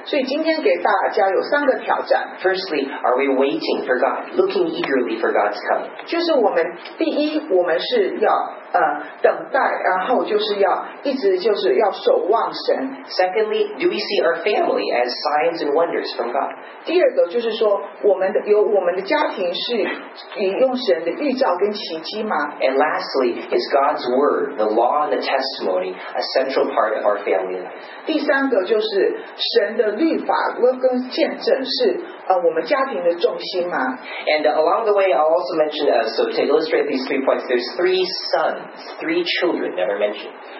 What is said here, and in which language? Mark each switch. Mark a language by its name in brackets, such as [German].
[Chinese] 所以今天给大家有三个挑战。 [English] Firstly, are we waiting for God, looking eagerly for God's coming? [Chinese] 就是我们第一，我们是要 等待，然后就是要一直就是要守望神。 [English] Secondly, do we see our family as signs and wonders from God? [Chinese] 第二个就是说，我们的家庭是用神的预兆跟奇迹吗？ [English] And lastly, is God's word, the law and the testimony, a central part of our family life? [Chinese] 第三个就是神的律法跟见证是 我们家庭的重心吗？ [English] And along the way, I'll also mention, so to illustrate these three points, there's three sons, three children that are mentioned.